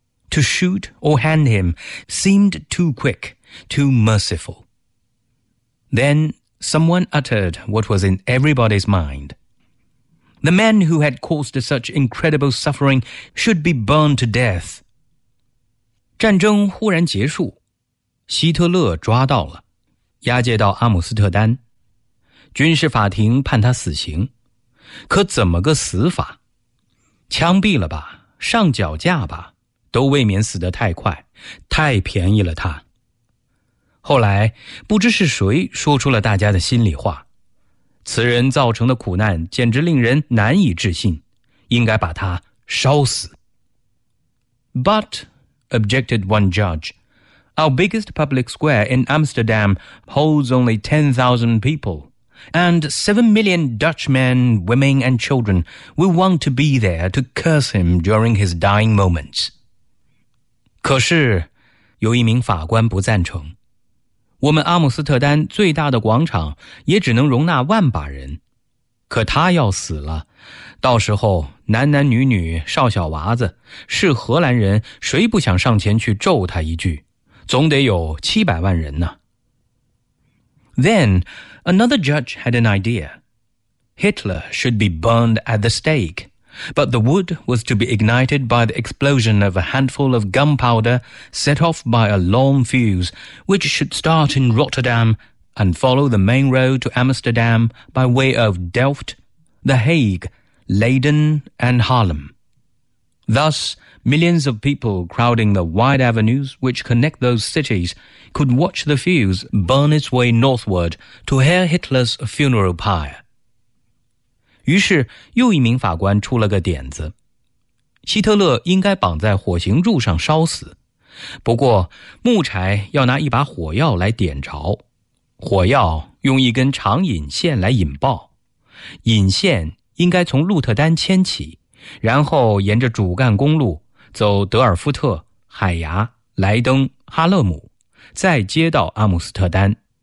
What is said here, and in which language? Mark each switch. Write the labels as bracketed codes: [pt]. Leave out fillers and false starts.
[en] To shoot or hang him seemed too quick, too merciful. Then someone uttered what was in everybody's mind. The man who had caused such incredible suffering should be burned to death. [zh] 战争忽然结束，希特勒抓到了，押解到阿姆斯特丹，军事法庭判他死刑，可怎么个死法？枪毙了吧，上绞架吧。都未免死得太快，太便宜了他。后来不知是谁说出了大家的心里话，此人造成的苦难简直令人难以置信，应该把他烧死。 [en] But, objected one judge, our biggest public square in Amsterdam holds only 10,000 people, and 7 million Dutch men, women and children will want to be there to curse him during his dying moments. [zh] 可是有一名法官不赞成，我们阿姆斯特丹最大的广场也只能容纳万把人，可他要死了，到时候男男女女少小娃子是荷兰人，谁不想上前去咒他一句，总得有700万人呢。 [en] Then another judge had an idea. Hitler should be burned at the stakeBut the wood was to be ignited by the explosion of a handful of gunpowder set off by a long fuse, which should start in Rotterdam and follow the main road to Amsterdam by way of Delft, The Hague, Leiden and Haarlem. Thus, millions of people crowding the wide avenues which connect those cities could watch the fuse burn its way northward to Herr Hitler's funeral pyre. [zh] 于是又一名法官出了个点子，希特勒应该绑在火刑柱上烧死，不过木柴要拿一把火药来点着，火药用一根长引线来引爆，引线应该从鹿特丹牵起，然后沿着主干公路走德尔夫特、海牙、莱登、哈勒姆，再接到阿姆斯特丹，